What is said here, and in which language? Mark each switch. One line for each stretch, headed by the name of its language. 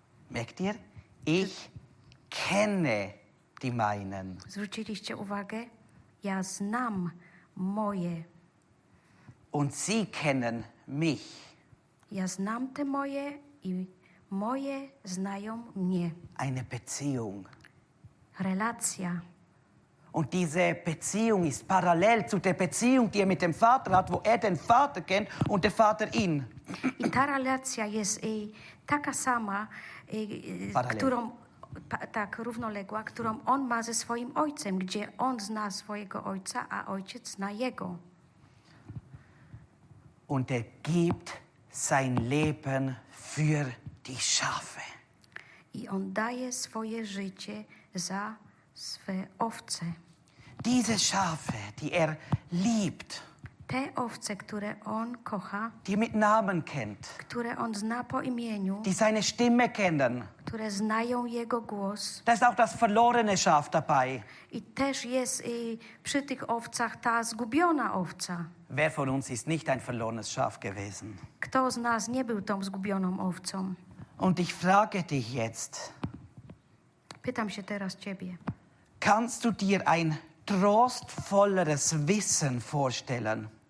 German: Merkt ihr? Ich kenne die meinen.
Polish: Zwróciliście uwagę? Ja znam moje.
German: Und sie kennen mich.
Polish: Ja znam te moje i moje znają mnie.
German: Eine Beziehung.
Polish: Relacja.
German: Und diese Beziehung ist parallel zu der Beziehung, die mit dem Vater hat, wo den Vater kennt und der Vater ihn.
Polish: I ta relacja jest taka sama, którą tak równoległa, którą on ma ze swoim ojcem, gdzie on zna swojego ojca, a ojciec zna jego.
German: Und gibt sein Leben für die Schafe.
Polish: I on daje swoje życie za swe owce.
German: Diese Schafe, die liebt.
Polish: Te owce, które on kocha.
German: Die mit Namen kennt.
Polish: Które on zna po imieniu.
German: Die seine Stimme kennen.
Polish: Które znają jego głos.
German: Da ist auch das verlorene Schaf dabei.
Polish: I też jest przy tych owcach ta zgubiona owca.
German: Wer von uns ist nicht ein verlorenes Schaf gewesen?
Polish: Kto z nas nie był tą zgubioną owcą?
German: Und ich frage dich jetzt.
Polish: Pytam się teraz ciebie.
German: Kannst du dir ein trostvolleres Wissen vorstellen?